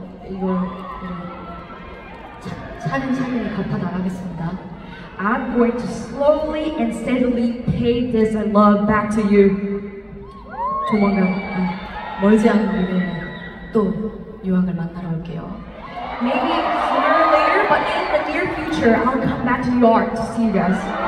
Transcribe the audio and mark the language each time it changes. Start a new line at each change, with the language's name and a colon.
Korean: 이걸 차근차근히 갚아 나가겠습니다.
English: I'm going to slowly and steadily pay this love back to you.
Korean: 조만간 멀지 않은 미래 또 유학을 만나러 올게요.
English: Maybe sooner or later, but in the near future, I'll come back to New York to see you guys.